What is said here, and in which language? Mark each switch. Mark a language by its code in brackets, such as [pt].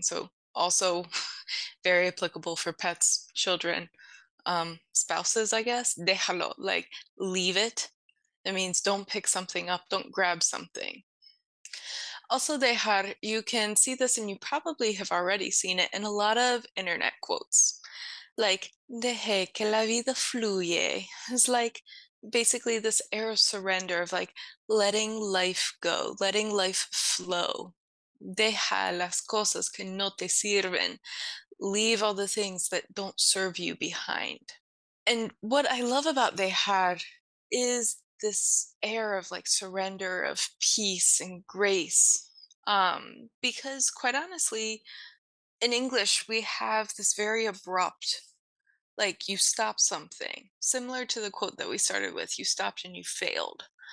[en] So also very applicable for pets, children, spouses, I guess. Déjalo, like leave it. It means don't pick something up, don't grab something. Also dejar, you can see this and you probably have already seen it in a lot of internet quotes. [es] Like, deje que la vida fluye. [en] It's like basically this air of surrender of like letting life go, letting life flow. [es] Deja las cosas que no te sirven. [en] Leave all the things that don't serve you behind. And what I love about dejar is this air of like surrender, of peace and grace. Because quite honestly, in English, we have this very abrupt, like you stop something, similar to the quote that we started with, you stopped and you failed.